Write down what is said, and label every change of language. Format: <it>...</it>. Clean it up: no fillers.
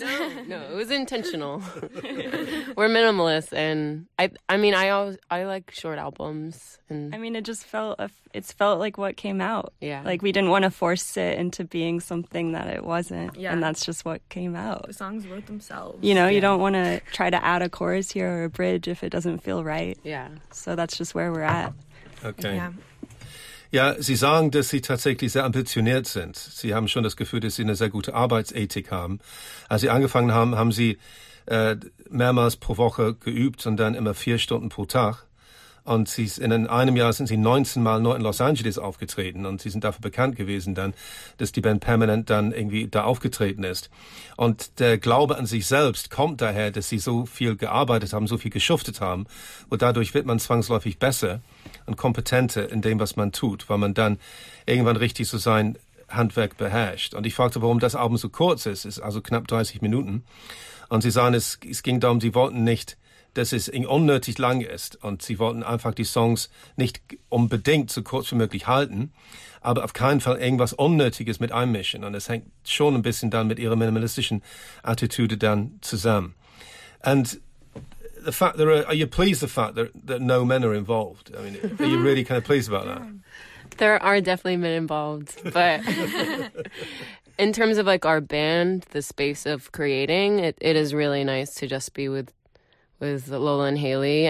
<en>No, it was intentional. We're minimalists, and I like short albums. And I mean, it felt like what came out. Yeah, like we didn't want to force it into being something that it wasn't. Yeah, and that's just what came out. The songs wrote themselves. You know, you don't want to try to add a chorus here or a bridge if it doesn't feel right. Yeah, so that's just where we're at. Okay. Yeah.</en> <de>Ja, Sie sagen, dass Sie tatsächlich sehr ambitioniert sind. Sie haben schon das Gefühl, dass Sie eine sehr gute Arbeitsethik haben. Als Sie angefangen haben, haben Sie mehrmals pro Woche geübt und dann immer 4 Stunden pro Tag. Und Sie sind in einem Jahr sind Sie 19 Mal nur in Los Angeles aufgetreten. Und Sie sind dafür bekannt gewesen dann, dass die Band permanent dann irgendwie da aufgetreten ist. Und der Glaube an sich selbst kommt daher, dass Sie so viel gearbeitet haben, so viel geschuftet haben. Und dadurch wird man zwangsläufig besser und kompetenter in dem, was man tut, weil man dann irgendwann richtig so sein Handwerk beherrscht. Und ich fragte, warum das Album so kurz ist. Es ist also knapp 30 Minuten. Und Sie sahen, es ging darum, Sie wollten nicht, dass es unnötig lang ist. Und Sie wollten einfach die Songs nicht unbedingt so kurz wie möglich halten, aber auf keinen Fall irgendwas Unnötiges mit einmischen. Und es hängt schon ein bisschen dann mit Ihrer minimalistischen Attitüde dann zusammen. Und</de> <en>the fact there are you pleased the fact that no men are involved? I mean, are you really kind of pleased about that? There are definitely men involved, but in terms of like our band, the space of creating, it is really nice to just be with Lola and Haley.</en>